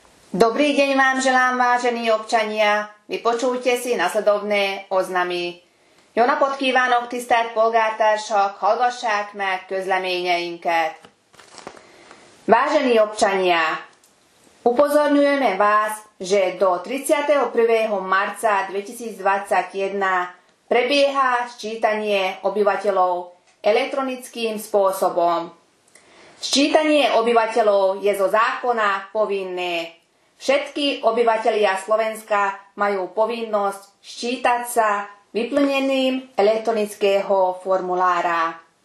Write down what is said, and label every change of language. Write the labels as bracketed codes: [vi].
[sk] Dobrý deň vám želám, vážení občania. Vypočujte si nasledovné oznamy. [hu] Jó napot kívánok, tisztelt polgártársak, hallgassák meg közleményeinket. [sk] Vážení občania, upozorňujeme vás, že do 31. marca 2021 prebieha sčítanie obyvateľov elektronickým spôsobom. Sčítanie obyvateľov je zo zákona povinné. Všetky obyvatelia Slovenska majú povinnosť sčítať sa vyplneným elektronického formulára.